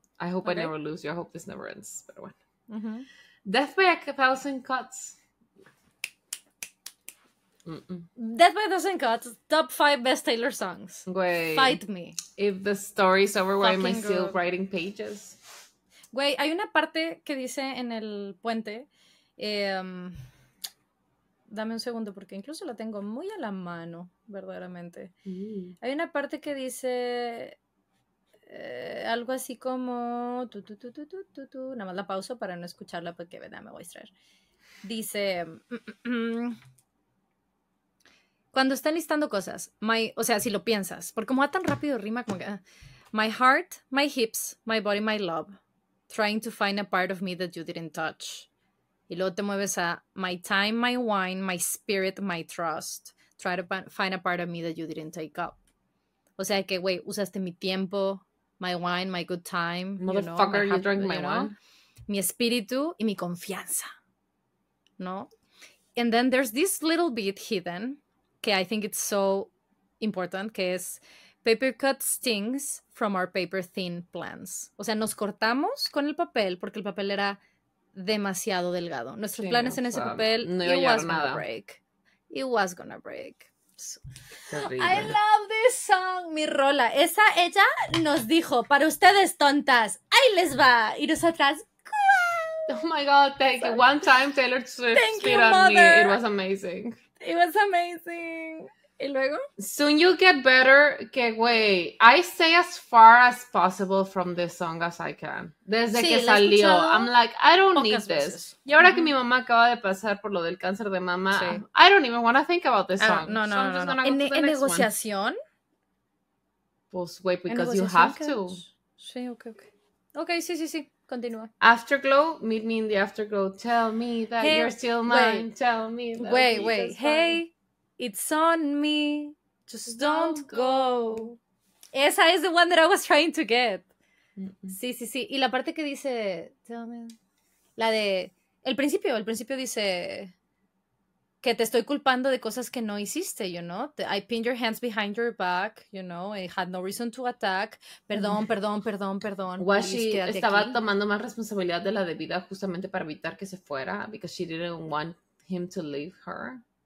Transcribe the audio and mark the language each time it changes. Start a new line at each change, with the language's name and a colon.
English: I hope okay. I never lose you. I hope this never ends. But when? Mm-hmm. Death by a Thousand Cuts. Mm-mm. Death by a Thousand Cuts. Top 5 best Taylor songs.
Spanish: Güey.
English: Fight me. If the story's over, why am I still writing pages?
Spanish: Güey, hay una parte que dice en el puente. Dame un segundo, porque incluso la tengo muy a la mano, verdaderamente. Mm. Hay una parte que dice... algo así como tú. Nada más la pauso para no escucharla porque verdad me voy a distraer. Dice cuando están listando cosas, my, o sea, si lo piensas, porque como va tan rápido rima como que,
English: my heart, my hips, my body, my love, trying to find a part of me that you didn't touch.
Spanish: Y luego te mueves a
English: my time, my wine, my spirit, my trust. Try to find a part of me that you didn't take up.
Spanish: O sea que, güey, usaste mi tiempo,
English: my wine, my good time. Motherfucker, you drank my wine.
Spanish: Mi espíritu y mi confianza. ¿No?
English: And then there's this little bit hidden que I think it's so important,
Spanish: que es
English: paper cut stings from our paper thin plans.
Spanish: O sea, nos cortamos con el papel porque el papel era demasiado delgado. Nuestros planes en ese papel, no
English: it was
Spanish: nada.
English: Gonna break. It was gonna break. I love this song,
Spanish: mi rola. Esa, ella nos dijo, para ustedes tontas, ahí les va. Y nosotras,
English: oh my god, thank you. One time Taylor Swift spit on me. It was amazing. It was amazing.
Spanish: ¿Y luego?
English: Soon you get better.
Spanish: Que güey.
English: I stay as far as possible from this song as I can.
Spanish: Desde sí, que salió.
English: I'm like, I don't need this. Veces.
Spanish: Y ahora que mi mamá acaba de pasar por lo del cáncer de mamá, sí.
English: I don't even want to think about this song.
Spanish: No. ¿En negociación?
English: One. Pues wait, because you have to.
Spanish: Sí, okay. Okay, sí. Continúa.
English: Afterglow, meet me in the afterglow. Tell me that hey, you're still mine. Wait, tell me that wait. Hey, it's on me. Just don't go.
Spanish: Esa
English: is the one that I was trying to get.
Spanish: Mm-hmm. Sí. Y la parte que dice...
English: Tell me.
Spanish: La de... El principio dice... Que te estoy culpando de cosas que no hiciste,
English: you know? I pinned your hands behind your back, you know? I had no reason to attack.
Spanish: Perdón. Washi estaba aquí. Tomando más responsabilidad de la debida justamente para evitar que se fuera.
English: Because she didn't want him to leave her.